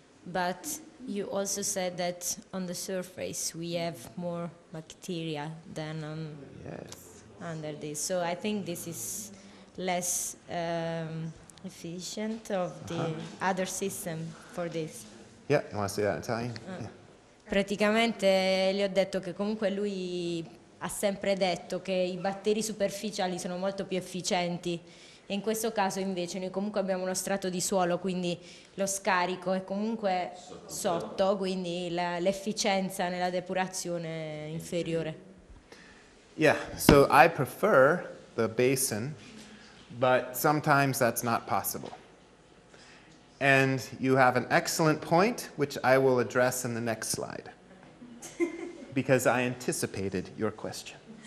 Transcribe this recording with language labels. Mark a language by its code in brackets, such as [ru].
[en] but you also said that on the surface we have more bacteria than on under this. So I think this is less efficient of the other system for this. Yeah, you want to say that in Italian? [it] Praticamente gli ho detto che comunque lui ha sempre detto che i batteri superficiali sono molto più efficienti. E in questo caso invece noi comunque abbiamo uno strato di suolo, quindi lo scarico è comunque sotto, quindi l'efficienza nella depurazione è inferiore. [en] Yeah, so I prefer the basin, but sometimes that's not possible. And you have an excellent point, which I will address in the next slide, because I anticipated your question.